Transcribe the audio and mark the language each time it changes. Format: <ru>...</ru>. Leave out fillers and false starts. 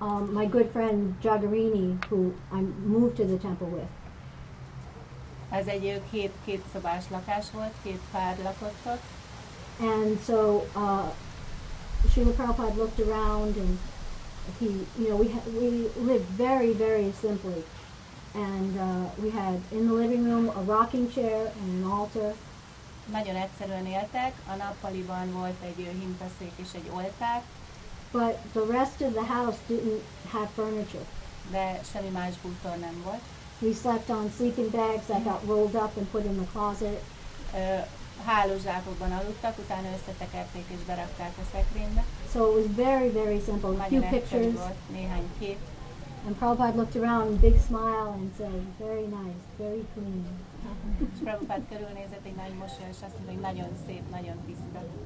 <en>My good friend Jagarini, who I moved to the temple with.</en> <hu>Ez egy két szobás lakás volt, két pár lakott ott.</hu> <en>And so Srila Prabhupada looked around and he, you know, we lived very, very simply. And we had in the living room a rocking chair and an altar.</en> <hu>Nagyon egyszerűen éltek, a nappaliban volt egy hintaszék és egy oltár.</hu> <en>But the rest of the house didn't have furniture.</en> <hu>De semmi más bútor nem volt.</hu> <en>We slept on sleeping bags that got rolled up and put in the closet.</en> <hu>Hálózsákokban aludtak, utána összetekerték és berakták a szekrénybe.</hu> <en>So it was very, very simple. A few pictures.</en> <hu>Néhány kép.</hu> <en>And Prabhupada looked around, big smile, and said, "Very nice, very clean."</en> <hu>Prabhupada körülnézett egy nagy mosoly, és azt mondta, hogy nagyon szép, nagyon tiszta.</hu>